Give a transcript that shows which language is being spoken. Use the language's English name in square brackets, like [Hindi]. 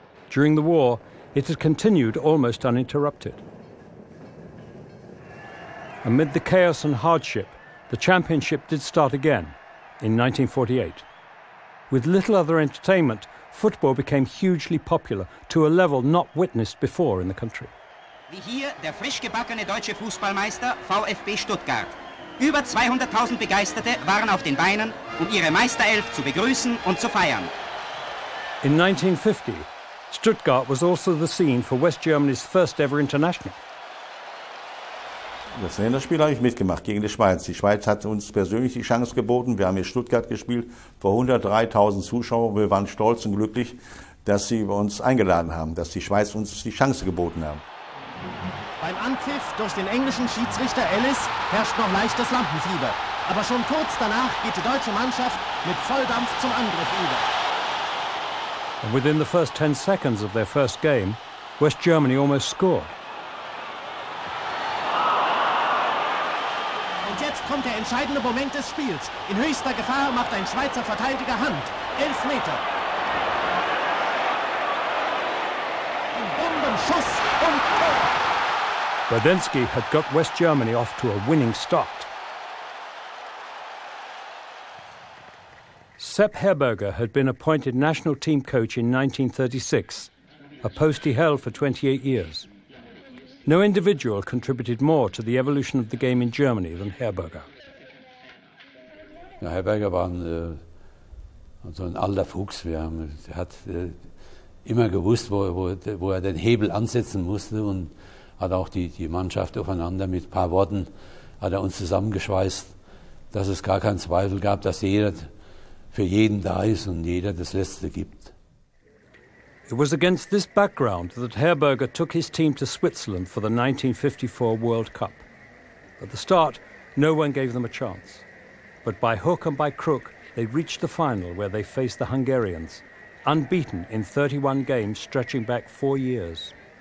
[English] During the war, it had continued almost uninterrupted. Amid the chaos and hardship, the championship did start again. In 1948. With little other entertainment, football became hugely popular to a level not witnessed before in the country. [German] Wie hier der frisch gebackene deutsche Fußballmeister VfB Stuttgart. Über 200.000 Begeisterte waren auf den Beinen, um ihre Meisterelf zu begrüßen und zu feiern. [English] In 1950, Stuttgart was also the scene for West Germany's first ever international. [German] Das Länderspiel habe ich mitgemacht gegen die Schweiz. Die Schweiz hat uns persönlich die Chance geboten. Wir haben in Stuttgart gespielt vor 103.000 Zuschauern. Wir waren stolz und glücklich, dass sie uns eingeladen haben, dass die Schweiz uns die Chance geboten haben. Beim Anpfiff durch den englischen Schiedsrichter Ellis herrscht noch leichtes Lampenfieber. Aber schon kurz danach geht die deutsche Mannschaft mit Volldampf zum Angriff über. [English] And within the first 10 seconds of their first game, West Germany almost scored. [German] Und jetzt kommt der entscheidende Moment des Spiels. In höchster Gefahr macht ein Schweizer Verteidiger Hand. 11 Meter. Ein Bombenschuss und Tor. [English] Radenski had got West Germany off to a winning start. Sepp Herberger had been appointed national team coach in 1936, a post he held for 28 years. No individual contributed more to the evolution of the game in Germany than Herberger. [German] Ja, Herberger war also ein alter Fuchs. Er hat immer gewusst, wo er den Hebel ansetzen musste und hat auch die Mannschaft aufeinander mit ein paar Worten hat er uns zusammengeschweißt, dass es gar keinen Zweifel gab, dass jeder für jeden da ist und jeder das Letzte gibt. [English] It was against this background that Herberger took his team to Switzerland for the 1954 World Cup. At the start, no one gave them a chance. But by hook and by crook, they reached the final where they faced the Hungarians, unbeaten in 31 games stretching back 4 years.